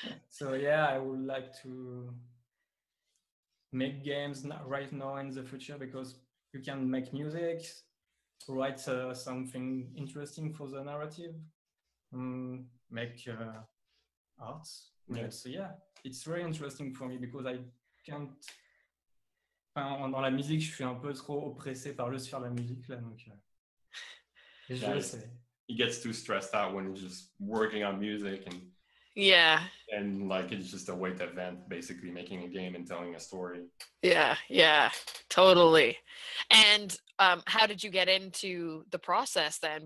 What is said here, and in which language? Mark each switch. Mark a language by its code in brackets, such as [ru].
[en] So yeah, I would like to make games right now in the future, because you can make music, write something interesting for the narrative, make art. Yeah. So yeah, it's very interesting for me because I can't... [fr] Enfin, dans la musique, je suis un peu trop oppressé par juste faire la musique. Là, donc, [en] He gets too stressed out when he's just working on music and like it's just a way to vent, basically making a game and telling a story. Totally. And how did you get into the process then?